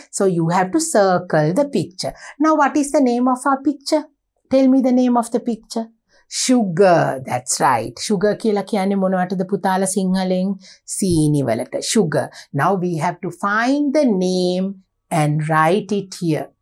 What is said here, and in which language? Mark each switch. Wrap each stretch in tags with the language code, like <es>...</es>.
<en>So you have to circle the picture. Now what is the name of our picture? Tell me the name of the picture. Sugar, that's right.</en> <si>Sugar කියලා කියන්නේ මොනවටද පුතාලා සිංහලෙන්? සීනි වලට. Sugar.</si> <en>Now we have to find the name and write it here.</en>